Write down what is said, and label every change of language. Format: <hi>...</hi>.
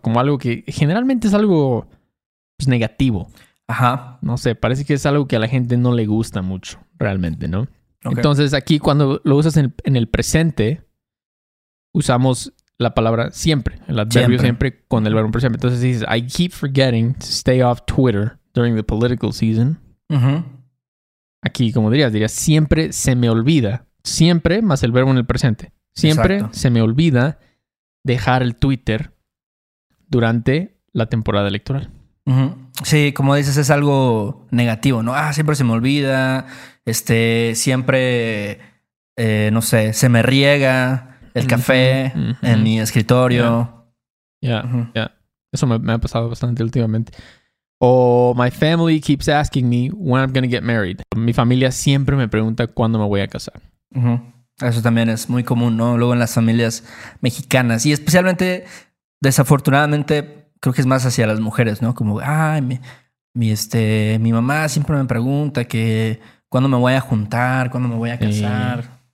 <es>Como algo que generalmente es algo pues, negativo. Ajá. No sé, parece que es algo que a la gente no le gusta mucho realmente, ¿no? Okay. Entonces, aquí cuando lo usas en el presente, usamos la palabra siempre, el adverbio siempre con el verbo presente. Entonces, dices,</es> <en>I keep forgetting to stay off Twitter during the political season. Uh-huh.</en> <es>Aquí, como dirías, siempre se me olvida. Siempre más el verbo en el presente. Siempre Exacto. se me olvida dejar el Twitter durante la temporada electoral. Uh-huh. Sí, como dices, es algo negativo, ¿no? Ah, siempre se me olvida. Siempre, no sé, se me riega el café uh-huh. en mi escritorio. Ya. Eso me ha pasado bastante últimamente.</es> <en>O, my family keeps asking me when I'm going to get married.</en> <es>Mi familia siempre me pregunta cuándo me voy a casar. Uh-huh. Eso también es muy común, ¿no? Luego en las familias mexicanas. Y especialmente, desafortunadamente, creo que es más hacia las mujeres, ¿no? Como, ay, mi mamá siempre me pregunta que cuándo me voy a juntar, cuándo me voy a casar.</es>